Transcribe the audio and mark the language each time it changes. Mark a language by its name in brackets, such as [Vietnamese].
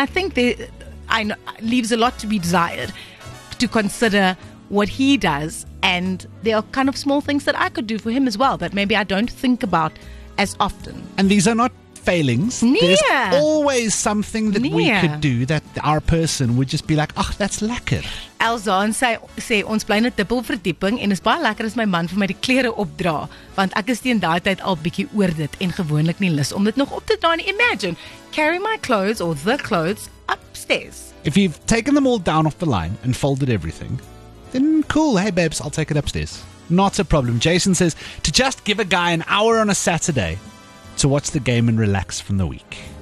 [English] And I think leaves a lot to be desired to consider what he does. And there are kind of small things that I could do for him as well that maybe I don't think about as often. And these are not failings. [Afrikaans] Nee. [English] There's always something that we could do that our person would just be like, ach, that's lekker. [Afrikaans] Elzaan sê, ons bly in 'n dubbel verdieping en is baie lekker as my man vir my die klere opdra, want ek is teen daai tyd al bietjie oor dit en gewoonlik nie lus om dit nog op te dra nie. [English] Imagine, carry my clothes or the clothes upstairs. If you've taken them all down off the line and folded everything, then cool, hey babes, I'll take it upstairs. Not a problem. Jason says, to just give a guy an hour on a Saturday to watch the game and relax from the week.